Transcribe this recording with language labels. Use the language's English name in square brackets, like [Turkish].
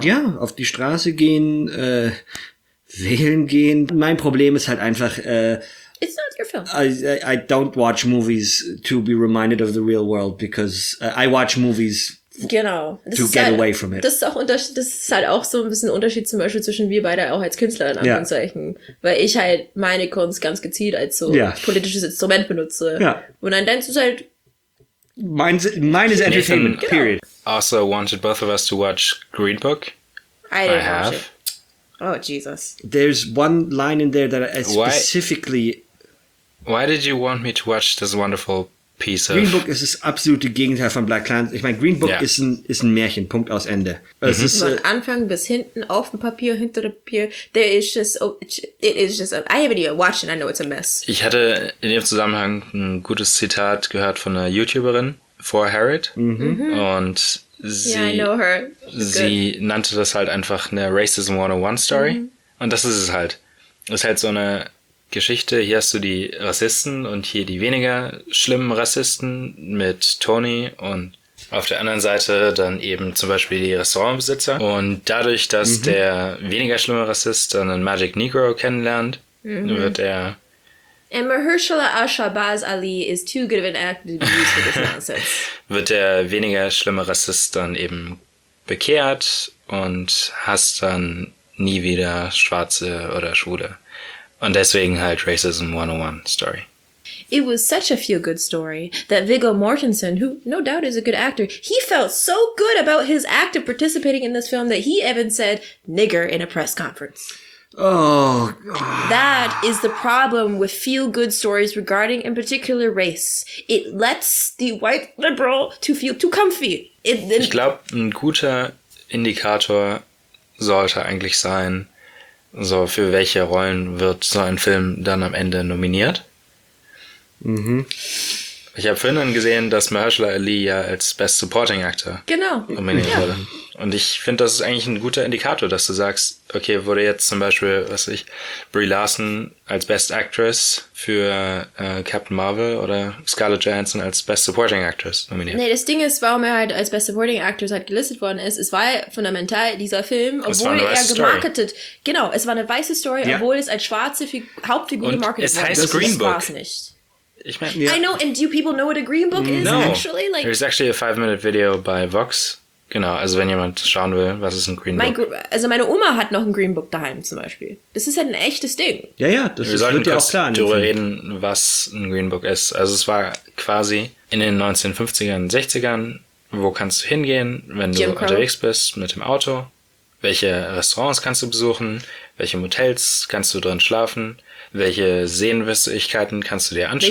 [German] Ja, auf die Straße gehen, wählen gehen. Mein Problem ist halt einfach, [English] it's not your film. I don't watch movies to be reminded of the real world because I watch movies. [German] Genau. Das [English] to ist get halt, away from it. [German] Das ist, auch Unterschied, das ist halt auch so ein bisschen Unterschied zum Beispiel zwischen wir beide auch als Künstler in Anführungszeichen. [English] Yeah. [German] Weil ich halt meine Kunst ganz gezielt als so politisches Instrument benutze. [English] Yeah. [German] Und dann denkst du halt... [English] Mine is entertainment, period. Also wanted both of us to watch Green Book. I have. Oh, Jesus. There's one line in there that I specifically... Why did you want me to watch this wonderful... Piece [German] Green Book ist das absolute Gegenteil von Black Klansman. Ich meine, Green Book ist ein Märchen, Punkt aus Ende. Es ist von Anfang bis hinten auf dem Papier, hinter dem Papier. [English] There is just, it is just, I haven't even watched it, I know it's a mess. [German] Ich hatte in dem Zusammenhang ein gutes Zitat gehört von einer YouTuberin, For Harriet. Mhm. Und sie, [English] yeah, I know her. [German] Sie nannte das halt einfach eine Racism 101 Story. Mhm. Und das ist es halt. Das ist halt so eine Geschichte, hier hast du die Rassisten und hier die weniger schlimmen Rassisten mit Tony und auf der anderen Seite dann eben zum Beispiel die Restaurantbesitzer. Und dadurch, dass der weniger schlimme Rassist dann einen Magic Negro kennenlernt, wird er... [English] And Mahershala Ashabaz Ali is too good of an actor to be used for this nonsense. [German] Wird der weniger schlimme Rassist dann eben bekehrt und hast dann nie wieder Schwarze oder Schwule. Und deswegen halt Racism 101 Story. [English] It was such a feel-good story that Viggo Mortensen, who no doubt is a good actor, he felt so good about his act of participating in this film that he even said nigger in a press conference. Oh, that is the problem with feel-good stories regarding, in particular, race. It lets the white liberal to feel too comfy. [German] Ich glaube, ein guter Indikator sollte eigentlich sein, so, für welche Rollen wird so ein Film dann am Ende nominiert? Mhm. Ich habe vorhin dann gesehen, dass Mahershala Ali ja als Best Supporting Actor nominiert wurde. Und ich finde, das ist eigentlich ein guter Indikator, dass du sagst, okay, wurde jetzt zum Beispiel, was weiß ich, Brie Larson als Best Actress für Captain Marvel oder Scarlett Johansson als Best Supporting Actress nominiert. Nee, das Ding ist, warum er halt als Best Supporting Actress halt gelistet worden ist, es war fundamental, dieser Film, obwohl er gemarketet, es war eine weiße Story, obwohl es als schwarze Hauptfigur gemarketet wurde. Es heißt Green Book. Ich mein, [English] I know, and do people know what a Green Book is, actually? Like, there's actually a 5-minute video by Vox. [German] Genau, also wenn jemand schauen will, was ist ein Green Book? Meine Oma hat noch ein Green Book daheim zum Beispiel. Das ist halt ein echtes Ding. Ja, ja, das wir sollten dir auch klar. Darüber reden, was ein Green Book ist. Also es war quasi in den 1950ern, 60ern wo kannst du hingehen, wenn du unterwegs bist mit dem Auto, welche Restaurants kannst du besuchen, welche Motels kannst du drin schlafen, welche Sehenswürdigkeiten kannst du dir anschauen.